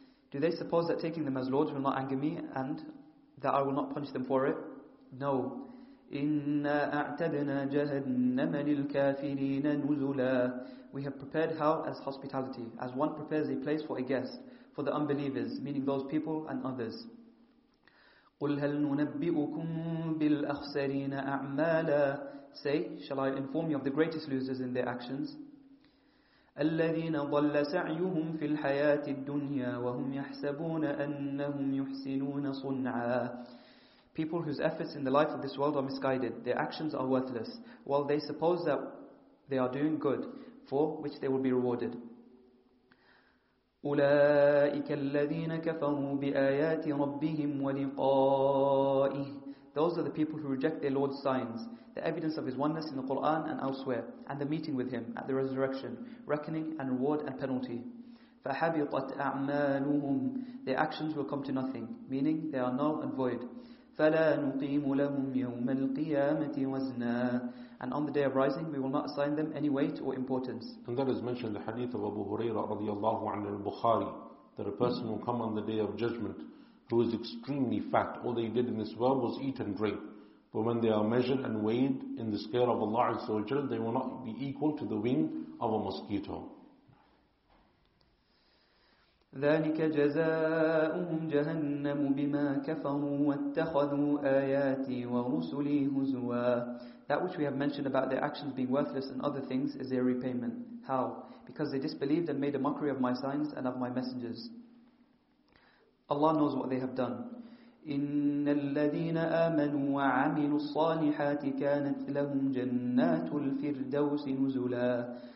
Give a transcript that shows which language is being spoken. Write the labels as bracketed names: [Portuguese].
[English] Do they suppose that taking them as lords will not anger me, and that I will not punish them for it? No. [Arabic] إِنَّا أَعْتَدْنَا جَهَنَّمَ لِلْكَافِرِينَ نُزُلًا. [English] We have prepared hell as hospitality, as one prepares a place for a guest, for the unbelievers, meaning those people and others. [Arabic] قل هل ننبئكم بالأخسرين أعمالا. [English] Say, shall I inform you of the greatest losers in their actions? [Arabic] الذين ضل سعيهم في الحياة الدنيا وهم يحسبون أنهم يحسنون صنعا. [English] People whose efforts in the life of this world are misguided, their actions are worthless, while they suppose that they are doing good, for which they will be rewarded. [Arabic] أولئك الذين كفروا بآيات ربهم ولقائه. [English] Those are the people who reject their Lord's signs, the evidence of His oneness in the Quran and elsewhere, and the meeting with Him at the resurrection, reckoning and reward and penalty. [Arabic] فحبطت أعمالهم. [English] Their actions will come to nothing, meaning they are null and void. [Arabic] فلا نقيم لهم يوم القيامة وزنا. [English] And on the day of rising, we will not assign them any weight or importance. And that is mentioned in the hadith of Abu Huraira radiallahu anhu al-Bukhari, that a person will come on the day of judgment who is extremely fat. All they did in this world was eat and drink. But when they are measured and weighed in the scale of Allah Azza wa Jalla, they will not be equal to the wing of a mosquito. [Arabic] ذلك جزاؤهم جهنم بما كفروا واتخذوا آياتي ورسلي هزوا. [English] That which we have mentioned about their actions being worthless and other things is their repayment. How? Because they disbelieved and made a mockery of my signs and of my messengers. Allah knows what they have done. [Arabic] إِنَّ الَّذِينَ آمَنُوا وَعَمِلُوا الصَّالِحَاتِ كَانَتْ لَهُمْ جَنَّاتُ الْفِرْدَوْسِ نُزُلًا.